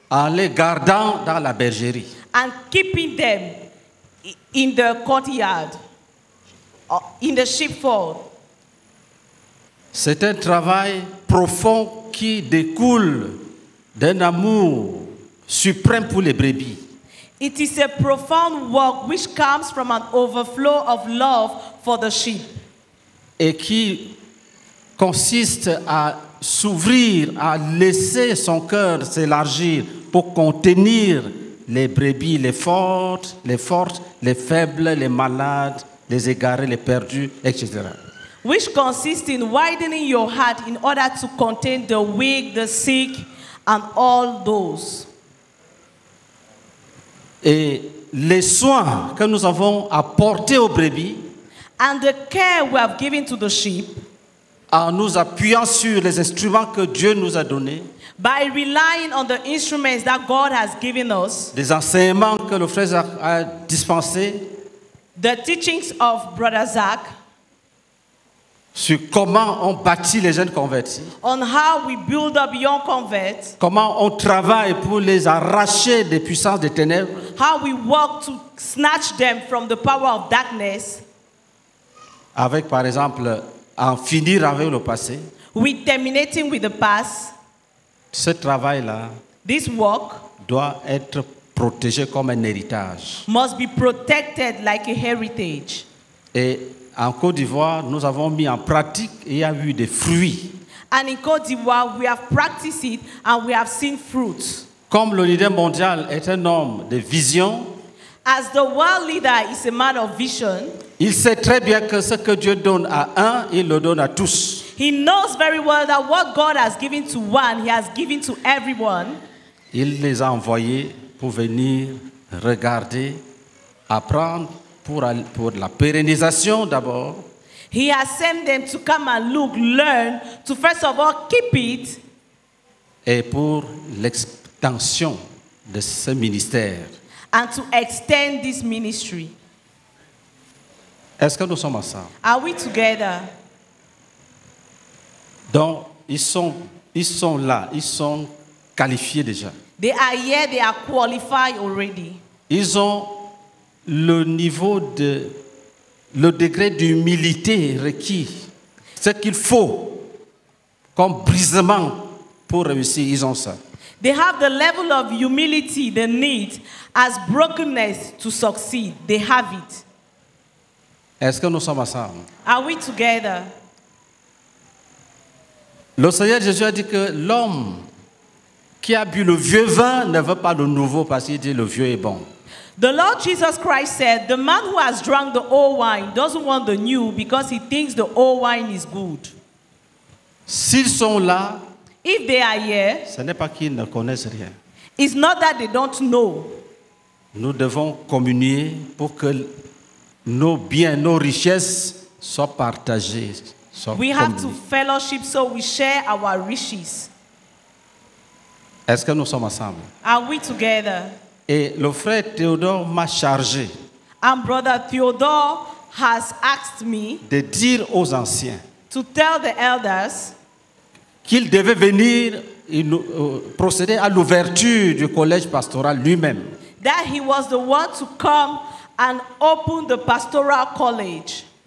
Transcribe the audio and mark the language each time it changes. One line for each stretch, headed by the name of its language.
French: En les gardant dans la bergerie.
English: And keeping them in the courtyard. In the sheepfold.
French: C'est un travail profond qui découle d'un amour suprême pour les brebis.
English: It is a profound work which comes from an overflow of love for the sheep.
French: Et qui consiste à s'ouvrir, à laisser son cœur s'élargir pour contenir les brebis, les fortes, les faibles, les malades, les égarés, les perdus, etc.
English: Which consists in widening your heart in order to contain the weak, the sick, and all those.
French: Et les soins que nous avons apportés aux brebis,
English: and the care we have given to the sheep,
French: en nous appuyant sur les instruments que Dieu nous a donnés,
English: by relying on the instruments that God has given us,
French: les enseignements que le frère Zach a dispensés,
English: the teachings of Brother Zach,
French: sur comment on bâtit les jeunes convertis,
English: on how we build up young converts,
French: comment on travaille pour les arracher des puissances des ténèbres,
English: how we work to snatch them from the power of darkness,
French: avec par exemple en finir avec le passé,
English: with terminating with the past.
French: Ce travail-là,
English: this work,
French: doit être protégé comme un héritage.
English: Must be protected like a heritage.
French: Et en Côte d'Ivoire, nous avons mis en pratique et il y a eu des fruits.
English: And in Côte d'Ivoire, we have practiced it and we have seen fruits.
French: Comme le leader mondial est un homme de vision,
English: as the world leader is a man of vision,
French: il sait très bien que ce que Dieu donne à un, il le donne à tous.
English: He knows very well that what God has given to one, he has given to everyone.
French: Il les a envoyés pour venir regarder, apprendre pour la pérennisation d'abord.
English: He has sent them to come and look, learn, to first of all keep it.
French: Et pour l'extension de ce ministère.
English: And to extend this ministry.
French: Est-ce que nous sommes ensemble?
English: Are we together?
French: Donc, ils sont là, ils sont qualifiés déjà.
English: They are here, they are qualified already.
French: Ils ont le niveau de, le degré d'humilité requis. Ce qu'il faut comme brisement pour réussir, ils ont ça.
English: They have the level of humility they need as brokenness to succeed. They have it.
French: Est-ce que nous sommes ensemble?
English: Are we together?
French: Le Seigneur Jésus a dit que l'homme qui a bu le vieux vin ne veut pas le nouveau parce qu'il dit le vieux est bon.
English: The Lord Jesus Christ said, the man who has drunk the old wine doesn't want the new because he thinks the old wine is good.
French: S'ils sont là,
English: if they are here,
French: ce n'est pas qu'ils ne connaissent rien.
English: It's not that they don't know.
French: Nous devons communier pour que nos biens, nos richesses soient partagées.
English: We have communique. To fellowship so we share our riches.
French: Est-ce que nous sommes ensemble?
English: Are we together?
French: Et le frère Théodore m'a chargé.
English: And brother Theodore has asked me
French: de dire aux anciens
English: to tell the elders
French: qu'ils devaient venir procéder à l'ouverture du collège pastoral lui-même.
English: That he was the one to come and open the pastoral college.